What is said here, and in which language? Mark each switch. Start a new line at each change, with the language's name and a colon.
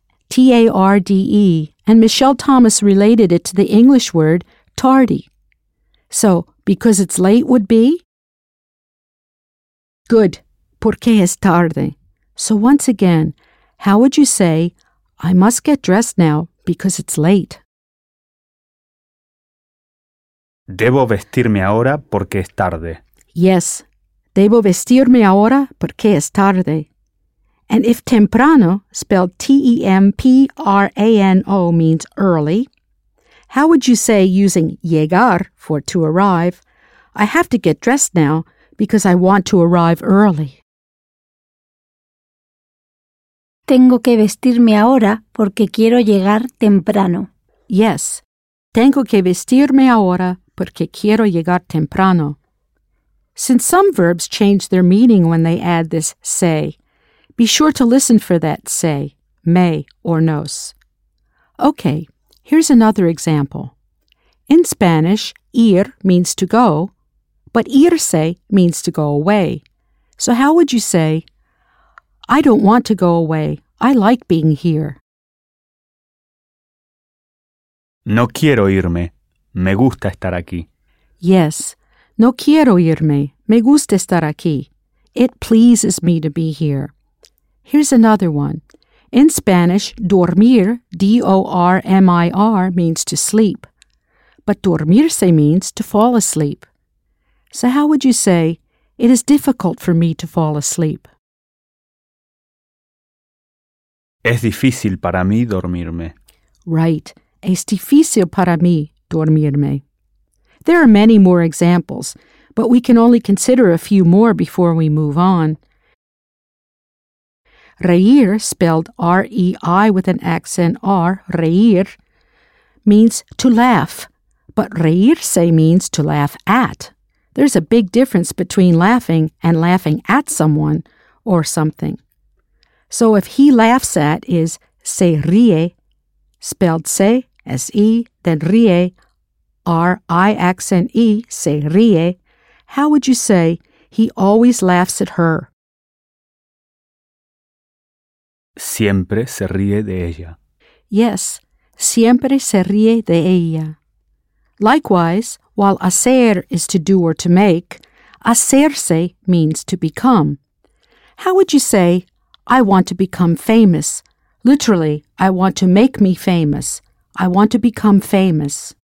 English: T-A-R-D-E. And Michelle Thomas related it to the English word tardy. So, because it's late would be? Good.
Spanish: Porque es tarde.
English: So once again, how would you say, I must get dressed now because it's late?
Spanish: Debo vestirme ahora porque es tarde.
English: Yes.
Spanish: Debo vestirme ahora porque es tarde.
English: And if temprano, spelled T-E-M-P-R-A-N-O, means early, how would you say using llegar for to arrive, I have to get dressed now because I want to arrive early?
Spanish: Tengo que vestirme ahora porque quiero llegar temprano.
English: Yes.
Spanish: Tengo que vestirme ahora porque quiero llegar temprano.
English: Since some verbs change their meaning when they add this se, be sure to listen for that se, me, or nos. Okay, here's another example. In Spanish, ir means to go, but irse means to go away. So how would you say, I don't want to go away. I like being here.
Spanish: No quiero irme. Me gusta estar aquí.
English: Yes.
Spanish: No quiero irme. Me gusta estar aquí.
English: It pleases me to be here. Here's another one. In Spanish, dormir, D-O-R-M-I-R, means to sleep. But dormirse means to fall asleep. So how would you say, it is difficult for me to fall asleep?
Spanish: Es difícil para mí dormirme.
English: Right.
Spanish: Es difícil para mí dormirme.
English: There are many more examples, but we can only consider a few more before we move on. Reír, spelled R-E-I with an accent R, reír, means to laugh, but reírse means to laugh at. There's a big difference between laughing and laughing at someone or something. So if he laughs at is se ríe, spelled se, S-E, then ríe, R-I accent E, se ríe, how would you say he always laughs at her?
Spanish: Siempre se ríe de ella.
English: Yes,
Spanish: siempre se ríe de ella.
English: Likewise, while hacer is to do or to make, hacerse means to become. How would you say, I want to become famous? Literally, I want to make me famous. I want to become famous.